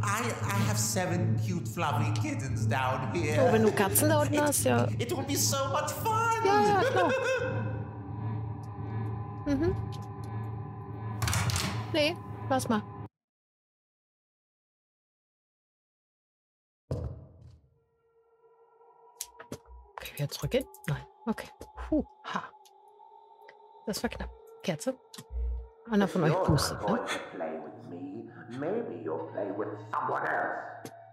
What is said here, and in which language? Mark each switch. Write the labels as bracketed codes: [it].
[en] I have 7 cute fluffy kittens down here. [de] Oh, wenn du Katzen da unten hast, ja. [en] It will be so much fun. [de] Ja, ja, klar. Nee, lass mal. Können wir jetzt zurückgehen? Nein. Okay. Puh, ha. Das war knapp. Kerze. Einer von euch pustet, ne? [en] Maybe you'll play with someone else.